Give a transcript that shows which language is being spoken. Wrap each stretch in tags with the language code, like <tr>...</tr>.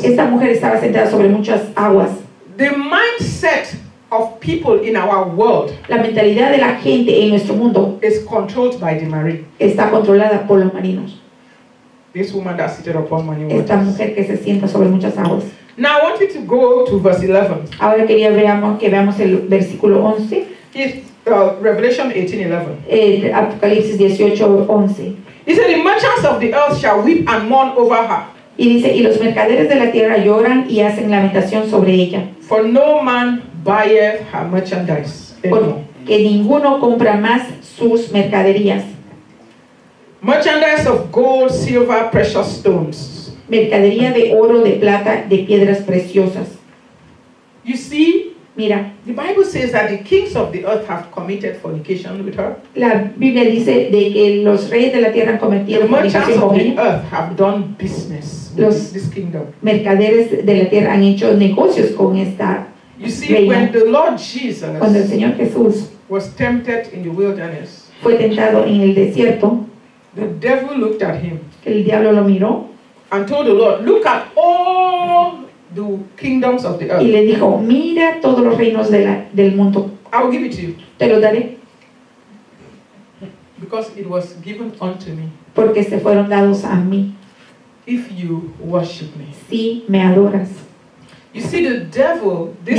<es>Esta mujer estaba sentada sobre muchas aguas.</es> <en>The mindset of people in our world.</en> <es>La mentalidad de la gente en nuestro mundo.</es> <en>Is controlled by the marine.</en> <es>Está controlada por los marinos.</es> <en>This woman that seated upon many waters.</en> <es>Esta mujer que se sienta sobre muchas aguas.</es> <en>Now I want you to go to verse 11.</en> <es>Ahora quería veamos el versículo 11.</es> <en>Revelation 18:11.</en> <es>Apocalipsis 18:11.</es> <en>He said, "The merchants of the earth shall weep and mourn over her."</en> <es>Y dice, y los mercaderes de la tierra lloran y hacen lamentación sobre ella.</es> <en>For no man buyeth her merchandise.</en> <es>Porque ninguno compra más sus mercaderías.</es> <en>Merchandise of gold, silver, precious stones.</en> <es>Mercadería de oro, de plata, de piedras preciosas.</es> <en>You see.</en> <es>Mira,</es> <en>the Bible says that the kings of the earth have committed fornication with her.</en> <es>La Biblia dice de que los reyes de la tierra han cometido fornicación con ella.</es> <en>The merchants of the earth have done business</en> <es>los</es> <en>with this kingdom.</en> <es>Mercaderes de la tierra han hecho negocios con esta reina.</es> <en>You see, when the Lord Jesus,</en> <es>cuando el Señor Jesús</es> <en>was tempted in the wilderness,</en> <es>fue tentado en el desierto,</es> <en>the devil looked at him,</en> <es>el diablo lo miró,</es> <en>and told the Lord, "Look at all the kingdoms of the earth."</en> <es>Y le dijo, mira todos los reinos del mundo.</es> <en>I will give it to you.</en> <es>Te lo daré.</es> <en>Because it was given unto me.</en> <es>Porque se fueron dados a mí.</es> <en>If you worship me.</en> <es>Si me adoras.</es> <en>You see the devil, this</en>